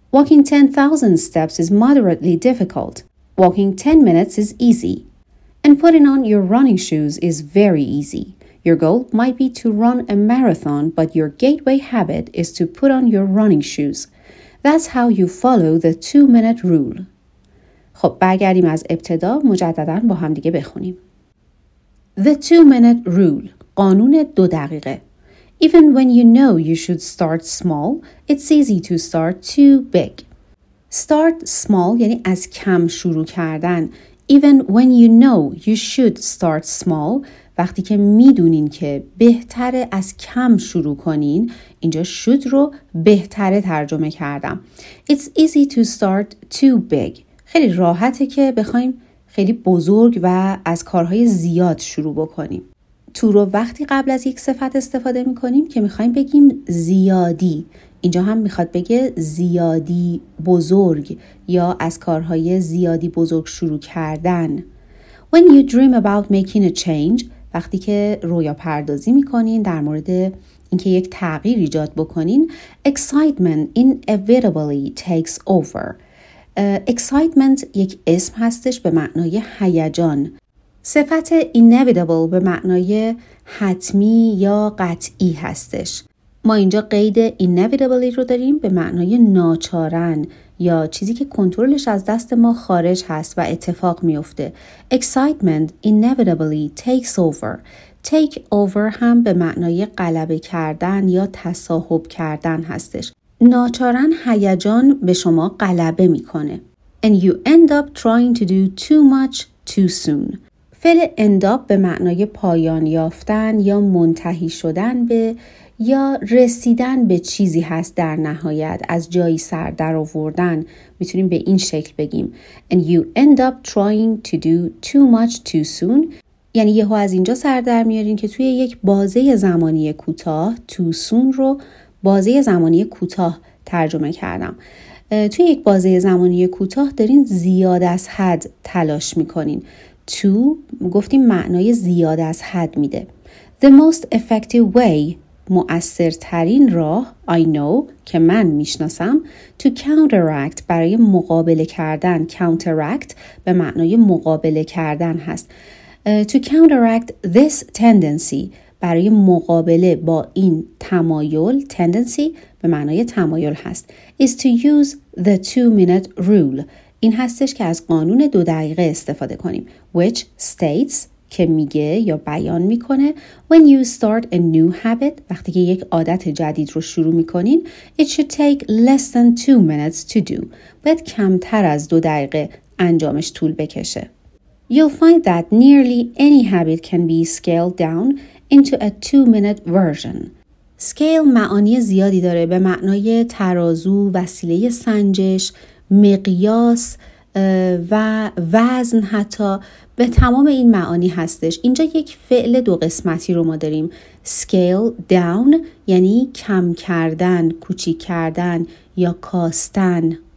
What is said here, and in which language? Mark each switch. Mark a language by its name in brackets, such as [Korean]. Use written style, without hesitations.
[English] Walking 10,000 steps is moderately difficult. Walking 10 minutes is easy. And putting on your running shoes is very easy. Your goal might be to run a marathon, but your gateway habit is to put on your running shoes. That's how you follow the 2-minute rule. [Persian] خب برگردیم از ابتدا مجدداً با هم دیگه بخونیم. [English] The 2-minute rule. [Persian] قانون 2 دقیقه. [English] Even when you know you should start small, it's easy to start too big. Start small [Persian] یعنی از کم شروع کردن. [English] Even when you know you should start small، [Persian] وقتی که میدونین که بهتره از کم شروع کنین، اینجا should رو بهتره ترجمه کردم. [English] It's easy to start too big. [Persian] خیلی راحته که بخوایم خیلی بزرگ و از کارهای زیاد شروع بکنیم. تو رو وقتی قبل از یک صفت استفاده میکنیم که میخوایم بگیم زیادی. اینجا هم میخواد بگه زیادی بزرگ یا از کارهای زیادی بزرگ شروع کردن. [English] When you dream about making a change، [Persian] وقتی که رویا پردازی میکنین در مورد اینکه یک تغییر ایجاد بکنین، [English] excitement inevitably takes over. [Persian] Excitement یک اسم هستش به معنای هیجان. صفت inevitable به معنای حتمی یا قطعی هستش. ما اینجا قید inevitably رو داریم به معنای ناچارن یا چیزی که کنترلش از دست ما خارج هست و اتفاق میفته. [English] Excitement inevitably takes over. [Persian] Take over هم به معنای غلبه کردن یا تصاحب کردن هستش. ناچارن هیجان به شما غلبه میکنه. [English] And you end up trying to do too much too soon. [Persian] فعل end up به معنای پایان یافتن یا منتهی شدن به یا رسیدن به چیزی هست در نهایت، از جایی سر در آوردن، میتونیم به این شکل بگیم. [English] And you end up trying to do too much too soon. [Persian] یعنی یهو از اینجا سر در میارین که توی یک بازه زمانی کوتاه، [English] too soon [Persian] رو بازه زمانی کوتاه ترجمه کردم. توی یک بازه زمانی کوتاه دارین زیاد از حد تلاش میکنین. Too گفتیم معنای زیاد از حد میده. [English] The most effective way، [Persian] مؤثرترین راه، [English] I know [Persian] که من میشناسم، [English] to counteract [Persian] برای مقابله کردن، counteract به معنای مقابله کردن هست. [English] To counteract this tendency، [Persian] برای مقابله با این تمایل، tendency به معنای تمایل هست، [English] is to use the 2-minute rule. [Persian] این هستش که از قانون 2 دقیقه استفاده کنیم، [English] which states [Persian] که میگه یا بیان میکنه [English] When you start a new habit [Persian] وقتی که یک عادت جدید رو شروع میکنین [English] It should take less than 2 minutes to do [Persian] باید کمتر از 2 دقیقه انجامش طول بکشه [English] You'll find that nearly any habit can be scaled down into a 2-minute version. [Persian] Scale معانی زیادی داره به معنای ترازو، وسیله سنجش، مقیاس و وزن حتی به تمام این معانی هستش. اینجا یک فعل 2 قسمتی رو ما داریم. Scale down یعنی کم کردن، کوچیک کردن یا کاستن.